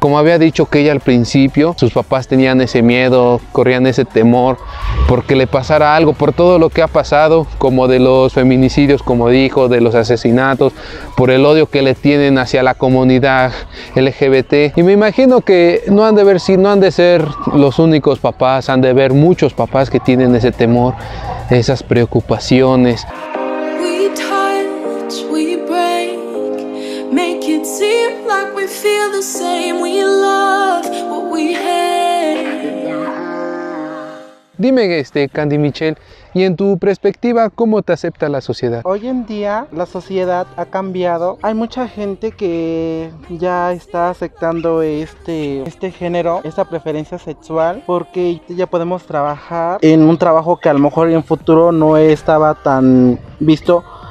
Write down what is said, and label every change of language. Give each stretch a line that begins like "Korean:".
Spanish: Como había dicho que ella al principio, sus papás tenían ese miedo, corrían ese temor porque le pasara algo, por todo lo que ha pasado, como de los feminicidios, como dijo, de los asesinatos, por el odio que le tienen hacia la comunidad LGBT. Y me imagino que no han de ser los únicos papás, han de ver muchos papás que tienen ese temor, esas preocupaciones.
English: We touch, we break, make it seem like we feel the same, we love what we hate.
Spanish: Dime, Candy Michelle, y en tu perspectiva, ¿cómo te acepta la sociedad? Hoy en día la sociedad ha cambiado. Hay mucha gente que ya está aceptando este género, esta preferencia sexual, porque ya podemos trabajar en un trabajo que a lo mejor en futuro no estaba tan visto.